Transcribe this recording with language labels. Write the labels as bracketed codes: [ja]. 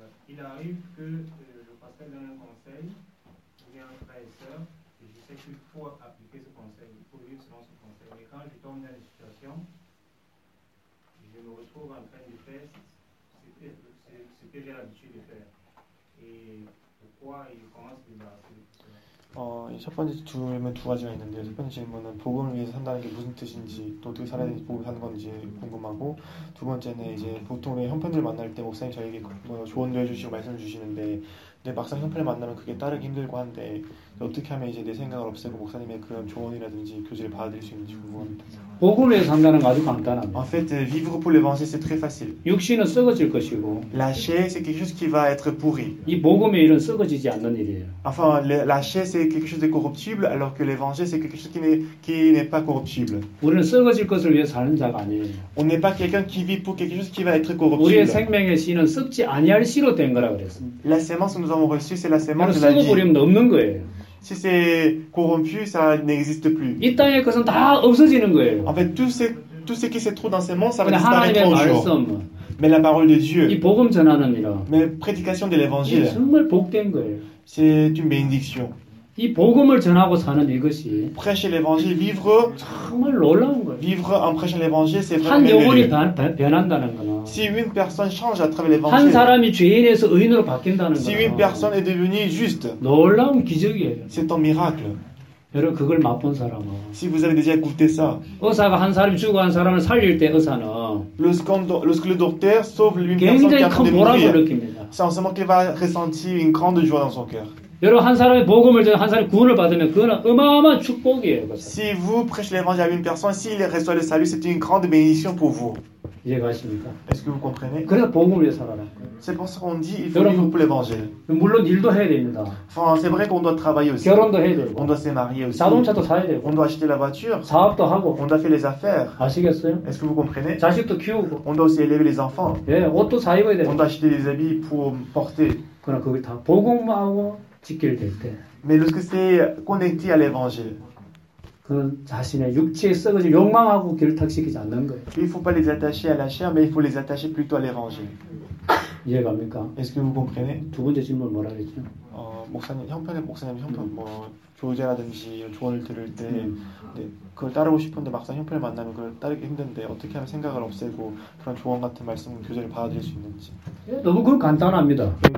[fr] Il arrive que le pasteur donne un conseil, il y a un frère et soeur, et je sais qu'il faut appliquer ce conseil, il faut vivre selon ce conseil. Mais quand je tombe dans une situation, je me retrouve en train de faire ce que j'ai l'habitude de faire. Et pourquoi il commence à se débarrasser? [ko] 첫 번째 질문 두 가지가 있는데요. 첫 번째 질문은 복음을 위해서 산다는 게 무슨 뜻인지 또 어떻게 살아야 되는지 복음을 사는 건지 궁금하고 두 번째는 이제 보통 우리 형편들 만날 때 목사님 저에게 조언도 해주시고 말씀을 주시는데 근데 막상 형편을 만나면 그게 따르기 힘들고 한데 어떻게 하면 이제 내 생각을 없애고 목사님의 그런 조언이라든지 교제를 받아들일 수 있는지 궁금합니다. 복음을 위해서 산다는 건 아주 간단합니다. [fr] En fait, vivre pour l'évangile, c'est très facile. [ko] 육신은 썩어질 것이고 [fr] La chair, c'est quelque chose qui va être pourri. [ko] 이 복음의 일은 썩어지지 않는 일이에요. [fr] Enfin, la chair, c'est quelque chose de corruptible, alors que l'évangile, c'est quelque chose qui n'est pas corruptible. [ko] 우리는 썩어질 것을 위해 사는 자가 아니에요. [fr] On n'est pas quelqu'un qui vit pour quelque chose qui va être corruptible. [ko] 우리의 생명의 씨는 썩지 아니할 씨로 된 거라 그랬습니다. [fr] La semence que nous avons reçue, c'est la semence de la vie. [ko] 썩어버리면 없는 거예요. [fr] Si c'est corrompu, ça n'existe plus. [ko] 이 땅의 것은 다 없어지는 거예요. [fr] En fait, tout ce qui se trouve dans ces mondes, ça va disparaître un jour. Mais la parole de Dieu. [ko] 이 복음 전하는 일. [fr] Mais prédication de l'évangile. [ko] 이 정말 복된 거예요. [fr] C'est une bénédiction. [ko] 이 복음을 전하고 사는 이것이. [fr] Prêcher l'évangile, vivre. [ko] 정말 놀라운 거예요. [fr] Vivre en prêchant l'évangile, c'est vraiment. [ko] 한 영혼이 변한다는 거나. [fr] Si une personne change à travers l'évangile. [ko] 한 사람이 죄인에서 의인으로 바뀐다는 거. [fr] Si une personne est devenue juste. [ko] 놀라운 기적이에요. [fr] C'est un miracle. [ko] 여러분 그걸 맛본 사람은. [fr] Si vous avez déjà goûté ça. [ko] 의사가 한 사람이 죽어 한 사람을 살릴 때 의사는. [fr] Lorsque le docteur sauve une personne. [ko] 굉장히 큰 보람을 느낍니다. [fr] C'est en ce moment qu'il va ressentir une grande joie dans son cœur. [ko] 여러분 한 사람의 복음을 전해 한 사람의 구원을 받으면 그거는 어마어마한 축복이에요. 그것은. [fr] Si vous prêchez l'évangile à une personne, s'il reçoit le salut, c'est une grande bénédiction pour vous. [ko] 이해가십니까? [fr] Est-ce que vous comprenez? [ko] 그래서 복음을 위해 살아라. [fr] C'est pour ça qu'on dit il faut vivre pour l'évangile. [ko] 물론 일도 해야 됩니다. [fr] Enfin, c'est vrai qu'on doit travailler aussi. [ko] 결혼도 해야 되고. [fr] On doit se marier aussi. [ko] 자동차도 사야 되고. [fr] On doit acheter la voiture. [ko] 사업도 하고. [fr] On doit faire les affaires. [ko] 아시겠어요? [fr] Est-ce que vous comprenez? [ko] 자식도 키우고. [fr] On doit aussi élever les enfants. [ko] 예, 옷도 사 입어야 돼. [fr] On doit acheter des habits pour porter. [ko] 그러나 그게 다 복음만 하고 지킬 될 때. [fr] Mais lorsque c'est connecté à l'évangile. [ko] 그 자신의 육체에 썩어질 욕망하고 길을 탁시키지 않는 거예요. [fr] Il faut pas les attacher à la chair, mais il faut les attacher plutôt à l'évangile. [ko] 이해갑니까? [fr] Est-ce que vous comprenez? [ko] 두 번째 질문 뭐라 그랬죠? 목사님 형편에 뭐 교제라든지 조언을 들을 때 네, 그걸 따르고 싶은데 막상 형편을 만나면 그걸 따르기 힘든데 어떻게 하면 생각을 없애고 그런 조언 같은 말씀 교제를 받아들일 수 있는지. 예, 너무 그건 간단합니다.